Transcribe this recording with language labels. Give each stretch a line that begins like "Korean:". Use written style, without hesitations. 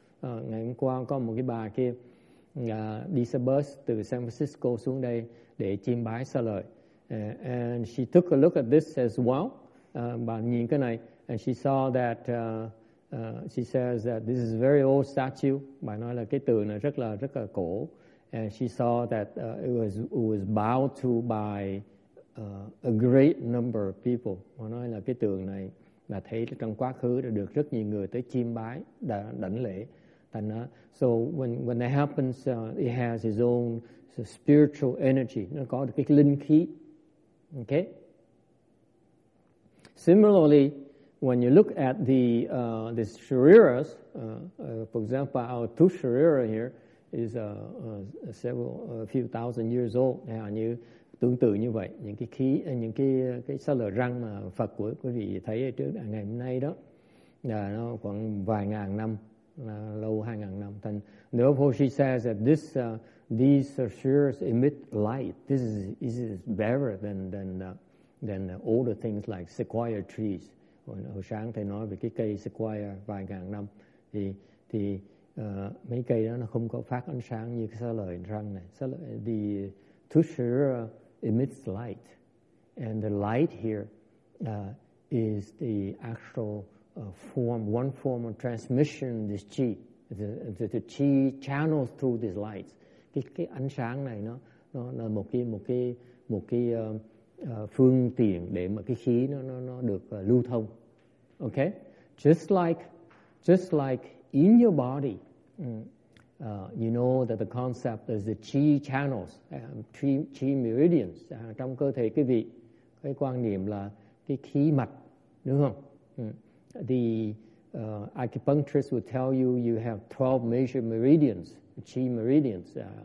Vietnamese: Ngày hôm qua có một cái bà kia đi xe bus từ San Francisco xuống đây để chiêm bái xá lợi.
English: And she took a look at this as well.
Vietnamese: Bà nhìn cái này
English: and she saw that she says that this is a very old statue.
Vietnamese: Bà nói là cái tượng này rất là cổ.
English: And she saw that it was bowed to by a great number of people.
Vietnamese: Bà nói là cái tượng này là thấy trong quá khứ đã được rất nhiều người tới chiêm bái đã đảnh lễ.
English: And so when that happens, it has its own spiritual energy.
Vietnamese: Nó có cái linh khí. Okay.
English: Similarly, when you look at the shariras, for example, our two sharira here is a few thousand years old.
Vietnamese: Yeah, như tương tự như vậy, những cái khí, những cái sa lợi răng mà Phật của quý vị thấy trước ngày hôm nay đó, là nó khoảng vài ngàn năm. Lâu 2000 năm.
English: Then, therefore, she says that this these spheres emit light. This is better than the older things like sequoia trees.
Vietnamese: Hồi sáng thầy nói về cái cây sequoia vài ngàn năm thì mấy cây đó nó không có phát ánh sáng như cái xá lợi răng này.
English: The two spheres emits light, and the light here is the actual. One form of transmission, this chi, the chi channels through these lights.
Vietnamese: Cái ánh sáng này nó là một cái phương tiện để mà cái khí nó được lưu thông.
English: Okay, just like in your body, you know that the concept is the chi channels, chi meridians.
Vietnamese: Trong cơ thể quý vị, cái quan niệm là cái khí mạch, đúng không?
English: The acupuncturist will tell you you have 12 major meridians, chi meridians.